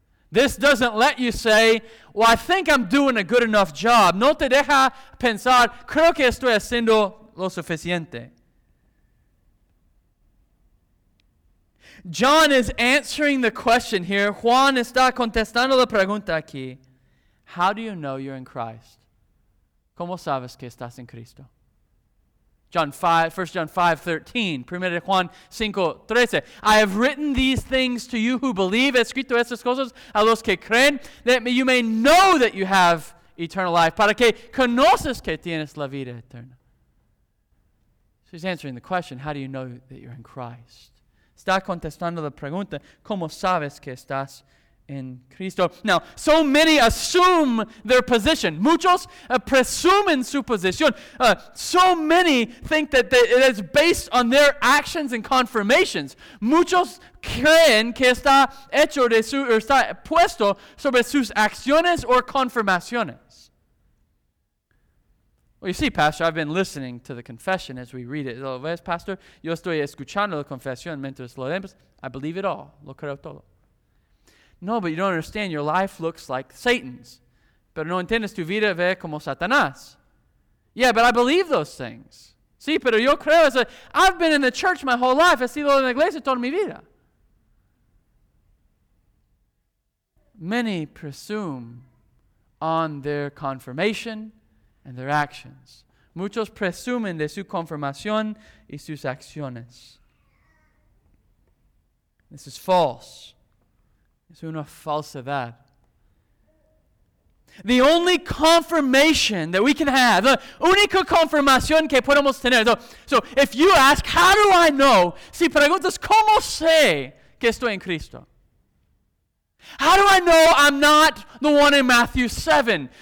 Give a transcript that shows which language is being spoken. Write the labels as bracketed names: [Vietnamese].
[English] This doesn't let you say, well, I think I'm doing a good enough job. [Spanish] No te deja pensar, creo que estoy haciendo lo suficiente. [English] John is answering the question here. [Spanish] Juan está contestando la pregunta aquí. [English] How do you know you're in Christ? [Spanish] ¿Cómo sabes que estás en Cristo? [English] John 5:13, 1 Juan 5:13. I have written these things to you who believe, [Spanish] escrito estas cosas a los que creen, [English] that you may know that you have eternal life, [Spanish] para que conoces que tienes la vida eterna. [English] So he's answering the question, how do you know that you're in Christ? [Spanish] Está contestando la pregunta, ¿cómo sabes que estás en Cristo? [English] Now, so many assume their position. [Spanish] Muchos presumen su posición. [English] So many think that it is based on their actions and confirmations. [Spanish] Muchos creen que está hecho de su, o está puesto sobre sus acciones o confirmaciones. [English] Well, you see, Pastor, I've been listening to the confession as we read it. [Spanish] ¿Lo ves, Pastor? Yo estoy escuchando la confesión mientras lo leemos. [English] I believe it all. [Spanish] Lo creo todo. [English] No, but you don't understand. Your life looks like Satan's. [Spanish] Pero no entiendes tu vida ve como Satanás. [English] Yeah, but I believe those things. [Spanish] Sí, pero yo creo. [English] I've been in the church my whole life. [Spanish] He sido en la iglesia toda mi vida. [English] Many presume on their confirmation and their actions. [Spanish] Muchos presumen de su confirmación y sus acciones. [English] This is false. [Spanish] Es una falsedad. [English] The only confirmation that we can have, the [Spanish] única confirmación que podemos tener. [English] So if you ask, how do I know? [Spanish] Si preguntas, ¿cómo sé que estoy en Cristo? [English] How do I know I'm not the one in Matthew 7?